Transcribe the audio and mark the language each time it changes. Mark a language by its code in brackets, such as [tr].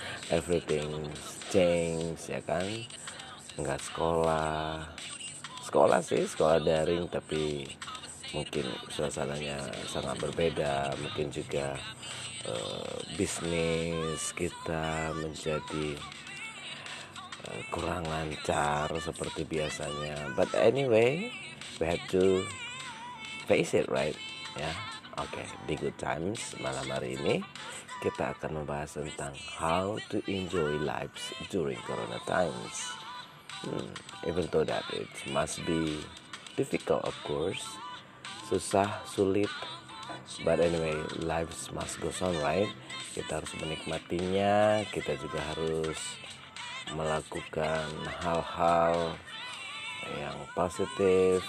[en] Everything change, [id] ya kan? Nggak sekolah sih, sekolah daring, tapi mungkin suasananya sangat berbeda. Mungkin juga bisnis kita menjadi kurang lancar seperti biasanya. [en] But anyway, we have to face it, right? [id] Ya, [en] yeah? Okay. [id] Di good times malam hari ini kita akan membahas tentang [en] how to enjoy lives during corona times. Even though that it must be difficult, of course. [id] Susah, sulit. [en] But anyway, lives must go on, right? [id] Kita harus menikmatinya. Kita juga harus melakukan hal-hal yang positif.